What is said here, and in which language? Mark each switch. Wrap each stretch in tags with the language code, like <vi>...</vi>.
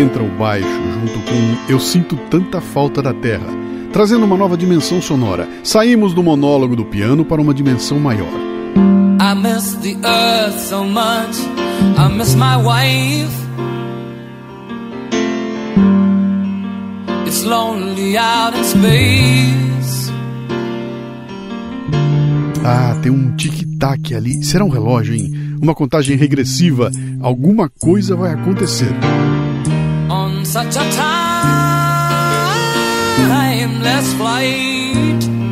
<pt>Entra o baixo junto com "Eu sinto tanta falta da Terra", trazendo uma nova dimensão sonora. Saímos do monólogo do piano para uma dimensão maior.</pt> <en>I miss the earth so much, I miss my wife. Lonely out in space.</en> <pt>Ah, tem um tic-tac ali. Será um relógio, hein? Uma contagem regressiva. Alguma coisa vai acontecer.</pt> <en>On such a timeless flight.</en>